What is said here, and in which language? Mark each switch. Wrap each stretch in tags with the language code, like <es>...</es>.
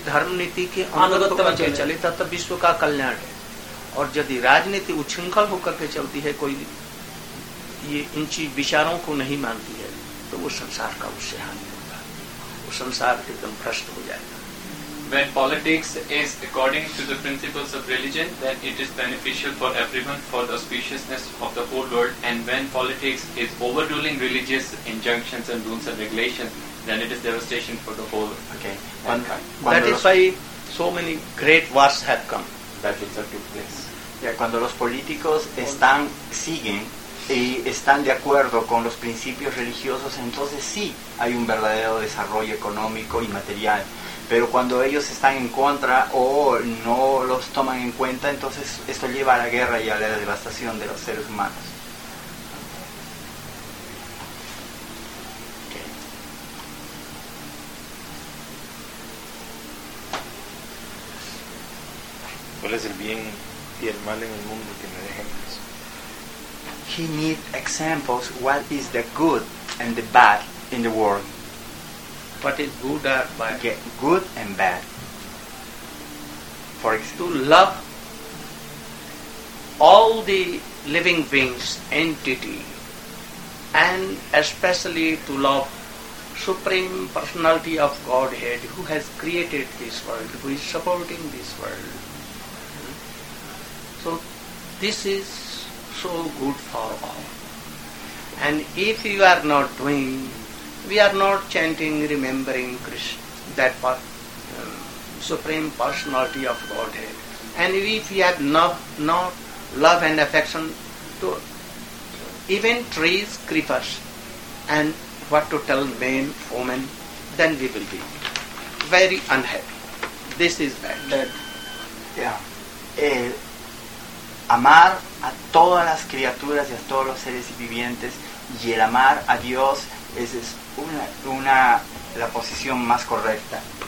<hi>धर्म नीति के अनुगत होकर चले तत्त्व विश्व का कल्याण है, और यदि राजनीति उच्छृंखल होकर के चलती है, कोई ये इनकी विचारों को नहीं मानती है, तो वो संसार का उससे हानि होगा, वो संसार एकदम भ्रष्ट हो जाएगा.</hi> <en>When politics is according to the principles of religion, then it is beneficial for everyone, for the auspiciousness of the whole world. And when politics is overruling religious injunctions and rules and regulations, then it is devastation for the whole mankind. That is why so many great wars have come. That is a good place.</en> <es>Yeah, cuando los políticos están, siguen y están de acuerdo con los principios religiosos, entonces sí hay un verdadero desarrollo económico y material. Pero cuando ellos están en contra o no los toman en cuenta, entonces esto lleva a la guerra y a la devastación de los seres humanos. ¿Cuál es el bien y el mal en el mundo? Tiene ejemplos.</es> <en>He need examples. What is the good and the bad in the world? What is good or bad? Okay, good and bad. For example, to love all the living beings, entity, and especially to love Supreme Personality of Godhead, who has created this world, who is supporting this world. So this is so good for all. And if you are not doing, we are not chanting, remembering Krishna, that part, Supreme Personality of Godhead. And if we have not love and affection to even trees, creepers, and what to tell men, women, then we will be very unhappy. This is bad. That, yeah.</en> <es>Amar a todas las criaturas y a todos los seres vivientes y el amar a Dios es una la posición más correcta.</es>